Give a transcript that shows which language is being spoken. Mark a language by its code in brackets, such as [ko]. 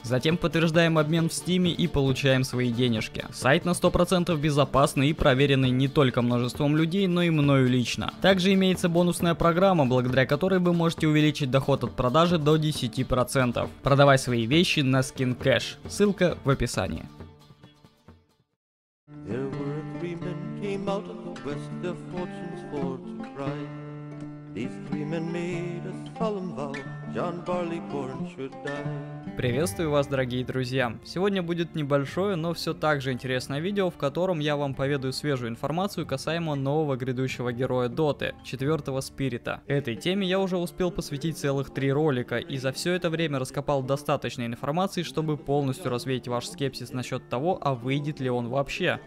[ru] Затем подтверждаем обмен в Steam и получаем свои денежки. Сайт на 100% безопасный и проверенный не только множеством людей, но и мною лично. Также имеется бонусная программа, благодаря которой вы можете увеличить доход от продажи до 10%. Продавай свои вещи на SkinCash. Ссылка в описании. [en] There were three men came out of the west of fortune's for to try. These three men made a solemn vow. John Barleycorn should die. [ru] Приветствую вас, дорогие друзья! Сегодня будет небольшое, но все так же интересное видео, в котором я вам поведаю свежую информацию касаемо нового грядущего героя Доты, четвертого Спирита. Этой теме я уже успел посвятить целых 3 ролика, и за все это время раскопал достаточной информации, чтобы полностью развеять ваш скепсис насчет того, а выйдет ли он вообще.